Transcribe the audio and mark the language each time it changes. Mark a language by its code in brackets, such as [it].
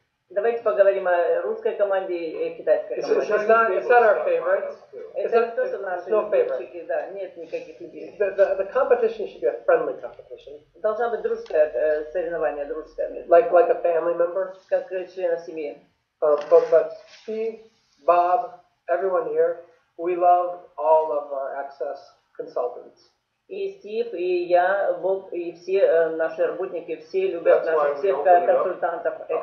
[ru] Давайте поговорим о русской команде и китайской команде. [en] It's not our favorite. It's no favorite. [ru] Да, нет никаких людей. [en] The competition should be a friendly competition. [ru] Должна быть дружеская соревнование, дружеское. [en] Like a family member. [ru] Как члена семьи. [en] But Steve, Bob, everyone here, we love all of our Access consultants. [ru] И Стив, и я, Боб, и все наши работники, все любят наших консультантов.